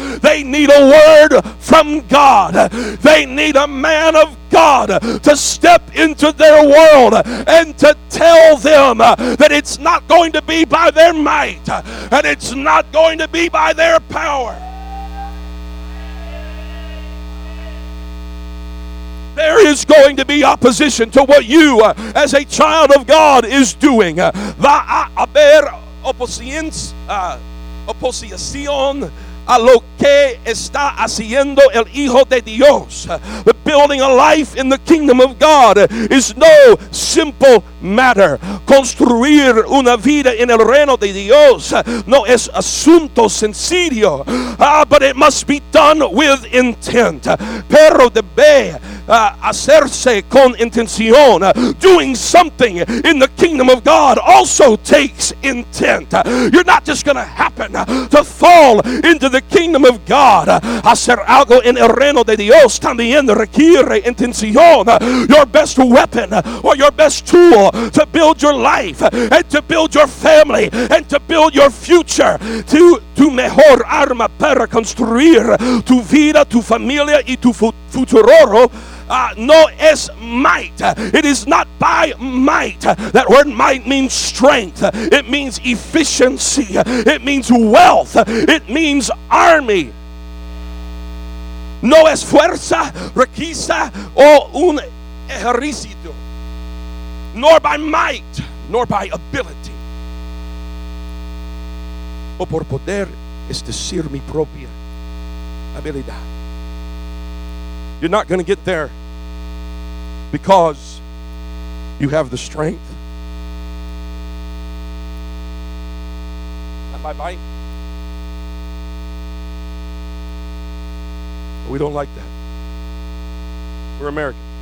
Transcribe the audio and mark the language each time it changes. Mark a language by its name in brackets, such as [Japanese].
[English] They need a word from God. They need a man of God to step into their world and to tell them that it's not going to be by their might and it's not going to be by their power. There is going to be opposition to what you as a child of God is doing. [Spanish] Va a haber oposición a lo que está haciendo el Hijo de Dios. [English] But building a life in the kingdom of God is no simple matter. [Spanish] Construir una vida en el reino de Dios no es asunto sencillo. [English] But it must be done with intent. [Spanish] Pero debe hacerse con intención. [English] Doing something in the kingdom of God also takes intent. You're not just going to happen to fall into the kingdom of God. [Spanish] Hacer algo en el reino de Dios también requiere intención. [English] Your best weapon or your best tool to build your life and to build your family and to build your future. [Spanish] Tu mejor arma para construir tu vida, tu familia y tu futuro. No es [English] might. It is not by might. That word might means strength. It means efficiency. It means wealth. It means army. [Spanish] No es fuerza, riqueza, o un ejército. [English] Nor by might, nor by ability. [Spanish] O por poder, es decir, mi propia habilidad. [English] You're not going to get there because you have the strength. Not by might. We don't like that. We're American.